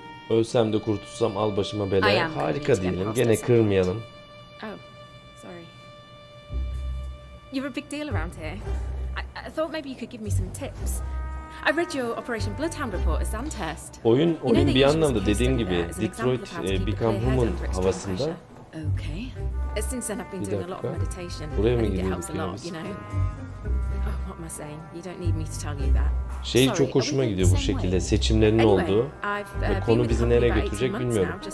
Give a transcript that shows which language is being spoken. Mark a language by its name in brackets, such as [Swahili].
[Turkish] Ölsem de kurtulsam al başıma bela. Harika değilim. Gene kırmayalım. [English] Oh, sorry. You're a big deal around here. I thought maybe you could give me some tips. I read your Operation Bloodhound report at Sandhurst. [Turkish] Oyun bir anlamda dediğim gibi Detroit Become Human havasında. [English] Okay. Since then I've been doing a lot of meditation. [Turkish] Buraya mı gidiyoruz? [English] It helps a lot, you know. Oh, what am I saying? You don't need me to tell you that. [Turkish] Şey çok hoşuma gidiyor bu şekilde. Seçimlerin olduğu. Ve konu bizi nereye götürecek bilmiyorum.